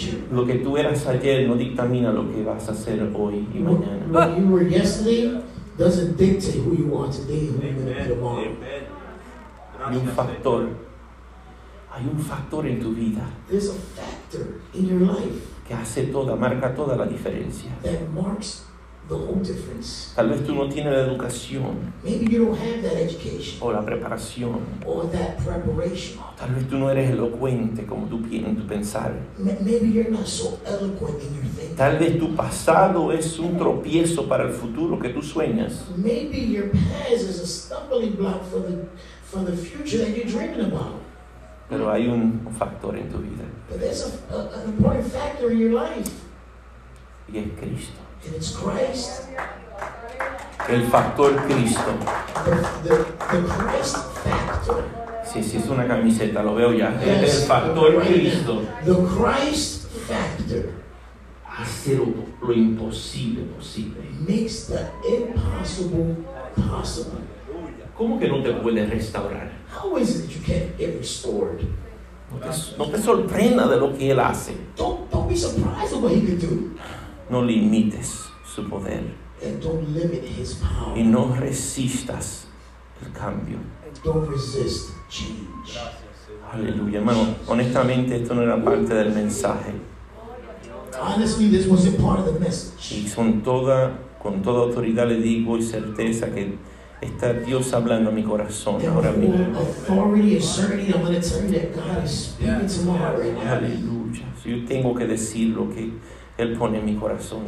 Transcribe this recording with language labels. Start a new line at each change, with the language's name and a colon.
Spanish: Lo que tú eras ayer no dictamina lo que vas a hacer hoy y mañana.
English: What you were yesterday doesn't dictate who you are today and who you're going to be tomorrow.
Spanish: Hay un factor. Hay un factor en tu vida.
English: There's a factor in your life.
Spanish: Que hace toda, marca toda la diferencia.
English: That marks the whole difference.
Spanish: Tal vez tú no tienes la educación.
English: Maybe you don't have that education.
Spanish: O la preparación.
English: Or that preparation.
Spanish: Tal vez tú no eres elocuente como tú piensas en tu pensar.
English: Maybe you're not so eloquent in your thinking.
Spanish: Tal vez tu pasado es un tropiezo para el futuro que tú sueñas.
English: Maybe your past is a stumbling block for the future that you're dreaming about.
Spanish: Pero hay un factor en tu vida.
English: But there's an important factor in your life.
Spanish: Y es Cristo.
English: And it's Christ.
Spanish: El factor Cristo.
English: The Christ factor.
Spanish: Sí, es una camiseta, lo veo ya. Yes, es el factor right Cristo.
English: The Christ factor.
Spanish: Hacer lo imposible posible.
English: Makes the impossible possible.
Spanish: ¿Cómo que no te puedes restaurar?
English: How is it that you can't get restored?
Spanish: No te sorprenda de lo que Él hace.
English: Don't be surprised at what He can do.
Spanish: No limites su poder.
English: And don't limit His power.
Spanish: Y no resistas el cambio.
English: And don't resist change.
Spanish: Aleluya, hermano. Honestamente, esto no era parte del mensaje.
English: Honestly, this wasn't part of the message.
Spanish: Y con toda autoridad le digo y certeza que está Dios hablando a mi corazón ahora mismo.
English: Authority and certainty, I'm going to tell you that God is speaking to my heart right now.
Spanish: Aleluya. So yo tengo que decir lo que Él pone en mi corazón.